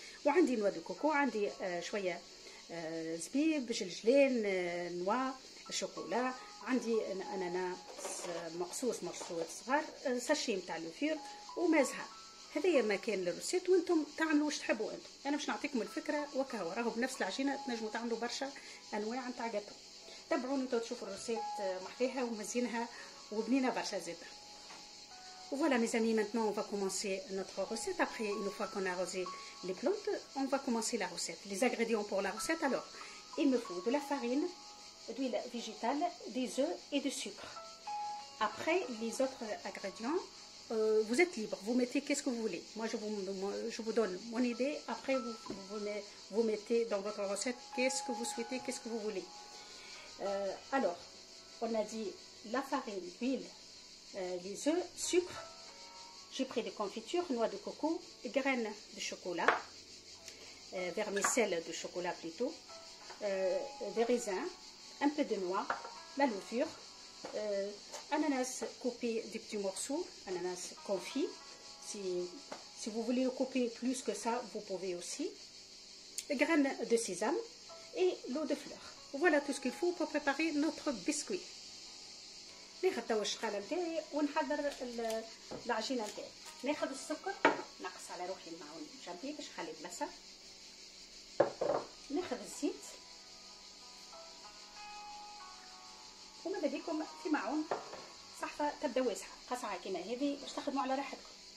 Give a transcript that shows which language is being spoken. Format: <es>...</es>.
<ar>وعندي نواة الكوكو، عندي شويه زبيب، جلجلان، نوا، شوكولا، عندي اناناس مقصوص مرصوص صغار، ساشي نتاع لوفير ومازها. هذايا ما كان للروسيت، وانتم تعملوا واش تحبوا انتم. انا باش نعطيكم الفكره وكهو، راهو بنفس العجينه تنجموا تعملوا برشا انواع نتاع جاتو. تابعوني انتم تشوفوا الروسيت محليها ومزينها وبنينه برشا زيت.</ar> <fr>وفوالا ميز امي، maintenant on va commencer notre recette. Après une fois qu'on a arrosé les plantes, on va commencer la recette. Les ingrédients pour la recette, alors il me faut de la farine, d'huile végétale, des œufs et du sucre. Après, les autres ingrédients, vous êtes libre, vous mettez qu'est-ce que vous voulez. Moi, je vous donne mon idée. Après, vous mettez dans votre recette qu'est-ce que vous souhaitez, qu'est-ce que vous voulez. Alors, on a dit la farine, l'huile, les œufs, sucre. J'ai pris des confitures, noix de coco, graines de chocolat, vermicelle de chocolat plutôt, des raisins, un peu de noix, la levure, ananas coupé des petits morceaux, ananas confit. Si vous voulez couper plus que ça, vous pouvez aussi. Graines de sésame et l'eau de fleur. Voilà tout ce qu'il faut pour préparer notre biscuit.</fr> <ar>ناخذ توا الشقالة نتاعي ونحضر العجينة نتاعي. ناخذ السكر، نقص على روحي المعون جنبي باش نخلي بلاصة. ناخذ الزيت، وماذا بيكم في معون صحفة تبدا واسعة، قصعة كيما هذي باش تخدموا على راحتكم.</ar>